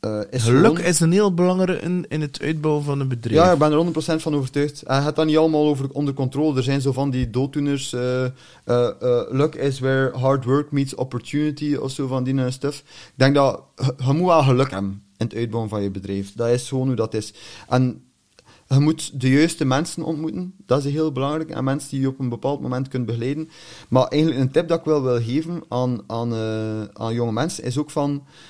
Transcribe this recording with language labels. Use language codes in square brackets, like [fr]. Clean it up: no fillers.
[nl] Is geluk gewoon... is een heel belangrijk in het uitbouwen van een bedrijf. Ja, ik ben er 100% van overtuigd. Hij gaat dat niet allemaal over onder controle. Er zijn zo van die dooddoeners. [en] Luck is where hard work meets opportunity, [nl] of zo van die [en] stuff. [nl] Ik denk dat je moet wel geluk hebben in het uitbouwen van je bedrijf. Dat is gewoon hoe dat is. En je moet de juiste mensen ontmoeten. Dat is heel belangrijk. En mensen die je op een bepaald moment kunt begeleiden. Maar eigenlijk een tip dat ik wil geven aan jonge mensen, is ook van...